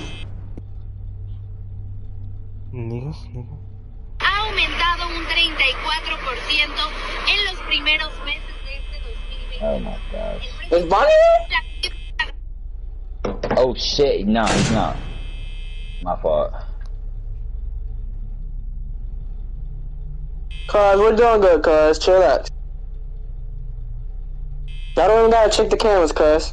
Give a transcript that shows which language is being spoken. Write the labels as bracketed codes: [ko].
[en] Chica's not there, I don't think she got out of there no more. Niggas, [es] ha aumentado un 34% en los primeros meses de este 2020. [en] Oh my god. Is Bonnie there? Oh shit, no, he's not. My fault. Cuz, we're doing good, cuz. Chill out. Y'all don't even gotta check the cameras, cuz.